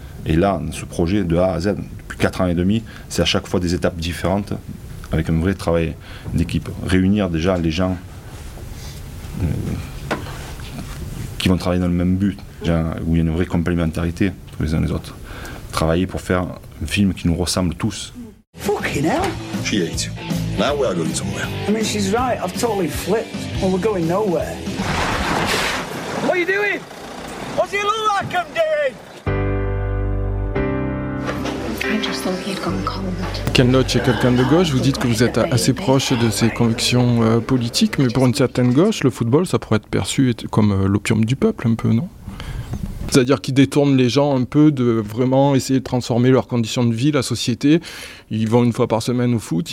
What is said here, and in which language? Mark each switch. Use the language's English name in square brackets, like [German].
[French] Et là, ce projet de A à Z, depuis 4 ans et demi, c'est à chaque fois des étapes différentes avec un vrai travail d'équipe. Réunir déjà les gens qui vont travailler dans le même but, où il y a une vraie complémentarité entre les uns les autres. Travailler pour faire un film qui nous ressemble tous. [English] Fucking hell! She hates you. Now we are going somewhere. I mean, she's right, I've totally flipped. Well, we're going nowhere. What are you doing? What do you look like I'm doing? I just thought he'd gone cold. [French] Ken Loach est quelqu'un de gauche. Vous dites que vous êtes assez proche de ses convictions politiques, mais pour une certaine gauche, le football, ça pourrait être perçu comme l'opium du peuple, un peu, non? C'est-à-dire qu'ils détournent les gens un peu de vraiment essayer de transformer leurs conditions de vie, la société. Ils vont une fois par semaine au foot.